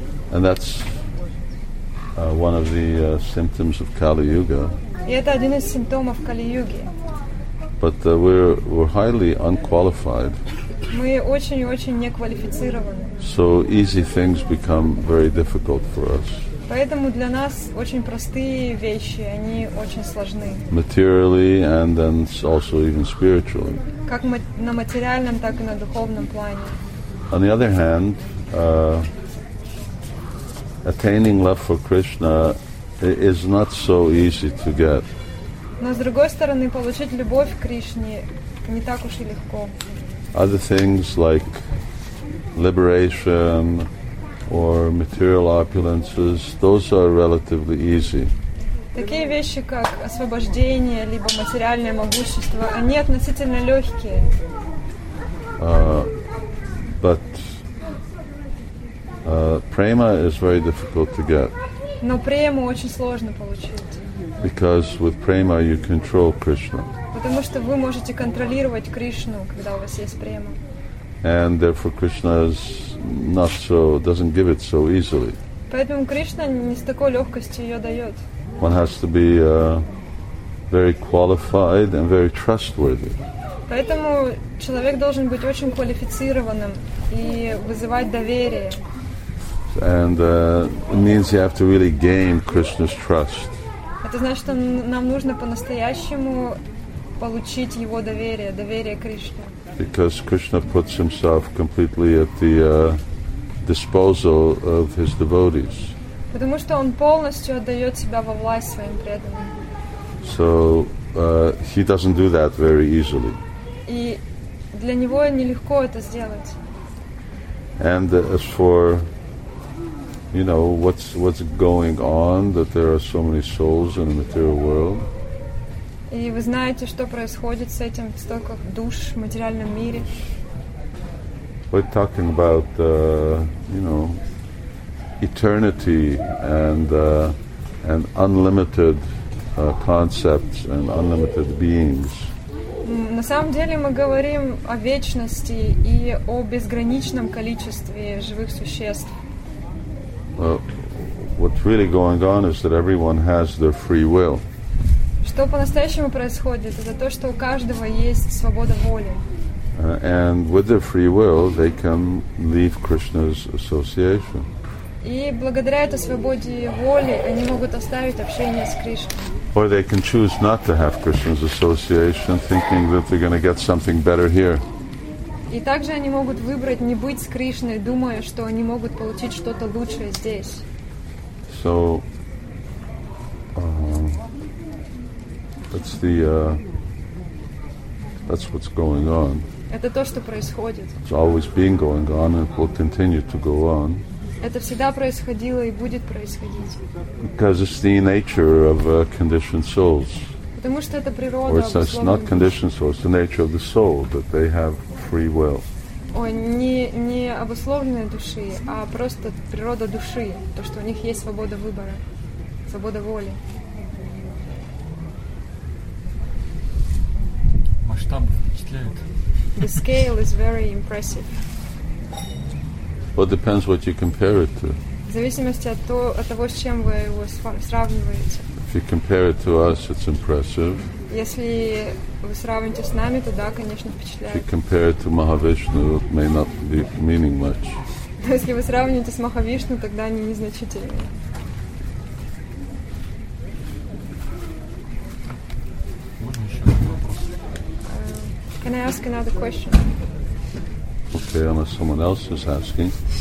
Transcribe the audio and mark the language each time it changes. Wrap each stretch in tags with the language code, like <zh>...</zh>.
<en>And that's one of the symptoms of Kali Yuga.</en> <ru>И это один из симптомов Кали-Юги.</ru> <en>But we're highly unqualified.</en> <ru>Мы очень и очень неквалифицированы.</ru> <en>So easy things become very difficult for us.</en> <ru>Поэтому для нас очень простые вещи, они очень сложны.</ru> <en>Materially and then also even spiritually.</en> <ru>Как на материальном, так и на духовном плане.</ru> <en>On the other hand, attaining love for Krishna is not so easy to get.</en> <ru>Но с другой стороны, получить любовь к Кришне не так уж и легко.</ru> <en>Other things like liberation or material opulences, those are relatively easy.</en> <ru>Такие вещи, как освобождение либо материальное могущество, они относительно легкие.</ru> <en>But prema is very difficult to get.</en> <ru>Но прему очень сложно получить.</ru> <en>Because with prema you control Krishna.</en> <ru>Потому что вы можете контролировать Кришну, когда у вас есть према.</ru> <en>And therefore Krishna is not so, doesn't give it so easily.</en> <ru>Поэтому Кришна не с такой легкостью ее дает.</ru> <en>One has to be very qualified and very trustworthy.</en> <ru>Поэтому человек должен быть очень квалифицированным и вызывать доверие.</ru> <en>And it means you have to really gain Krishna's trust.</en> <ru>Это значит, что нам нужно по-настоящему получить его доверие, доверие Кришне.</ru> <en>Because Krishna puts himself completely at the disposal of his devotees.</en> <ru>Потому что он полностью отдает себя во власть своим преданным.</ru> <en>So he doesn't do that very easily.</en> <ru>И для него нелегко это сделать.</ru> <en>And as for, you know, what's going on, that there are so many souls in the material world.</en> <ru>И вы знаете, что происходит с этим, столько душ в материальном мире.</ru> <en>We're talking about, you know, eternity and unlimited concepts and unlimited beings.</en> <ru>На самом деле мы говорим о вечности и о безграничном количестве живых существ.</ru> <en>What's really going on is that everyone has their free will.</en> <ru>Что по-настоящему происходит, это то, что у каждого есть свобода воли.</ru> <en>And with their free will, they can leave Krishna's association.</en> <ru>И благодаря этой свободе воли, они могут оставить общение с Кришной.</ru> <en>Or they can choose not to have Krishna's association, thinking that they're going to get something better here.</en> <ru>И также они могут выбрать не быть с Кришной, думая, что они могут получить что-то лучшее здесь.</ru> <en>So, That's what's going on.</en> <ru>Это то, что происходит.</ru> <en>It's always been going on and will continue to go on.</en> <ru>Это всегда происходило и будет происходить.</ru> <en>Because it's the nature of conditioned souls.</en> <ru>Потому что это природа.</ru> <en>Or it's not conditioned souls, it's the nature of the soul that they have free will.</en> <ru>Не обусловленные души, а просто природа души, то, что у них есть свобода выбора, свобода воли. Масштаб впечатляет.</ru> <en>The scale is very impressive. Well, it depends what you compare it to.</en> <ru>В зависимости от того, с чем вы его сравниваете.</ru> <en>If you compare it to us, it's impressive.</en> <ru>Если вы сравните с нами, то да, конечно, впечатляет.</ru> <en>If you compare it to Mahavishnu, it may not be meaning much.</en> <ru>Если вы сравните с Махавишну, тогда они незначительные.</ru> <en>Can I ask another question? Okay, unless someone else is asking.</en>